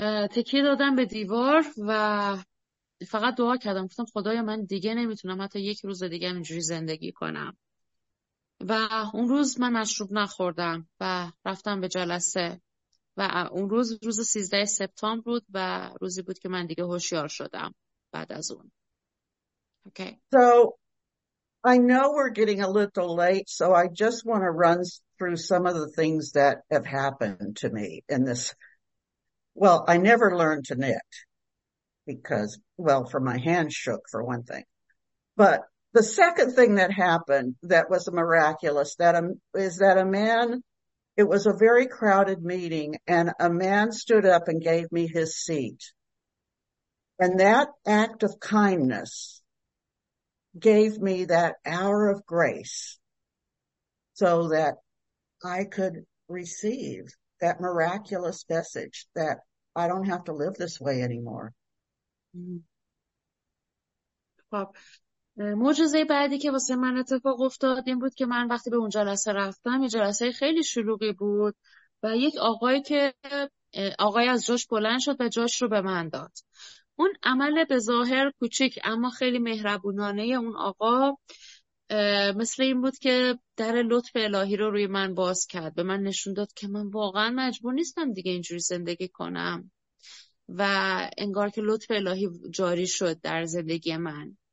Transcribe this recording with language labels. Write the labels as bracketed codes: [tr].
[fa] تکیه دادم به دیوار و فقط دعا کردم، گفتم خدایا من دیگه نمیتونم حتی یک روز دیگه اینجوری زندگی کنم. و اون روز من مشروب نخوردم و رفتم به جلسه، و اون روز روز 13 سپتامبر بود و روزی بود که من دیگه هوشیار شدم بعد از اون. [en] Okay. So I know we're getting a little late, so I just want to run through some of the things that have happened to me in this. Well, I never learned to knit because, well, for my hand shook for one thing. But the second thing that happened that was miraculous is that a man, it was a very crowded meeting, and a man stood up and gave me his seat. And that act of kindness gave me that hour of grace so that I could receive that miraculous message that I don't have to live this way anymore. [fa] خب معجزه بعدی که واسه من اتفاق افتاد این بود که من وقتی به اون جلسه رفتم، یه جلسه خیلی شلوغی بود و یک آقایی که آقای از جاش بلند شد و جاش رو به من داد. اون عمل به ظاهر کوچک اما خیلی مهربونانه اون آقا مثل این بود که در لطف الهی رو روی من باز کرد، به من نشون داد که من واقعا مجبور نیستم دیگه اینجوری زندگی کنم، و انگار که لطف الهی جاری شد در زندگی من.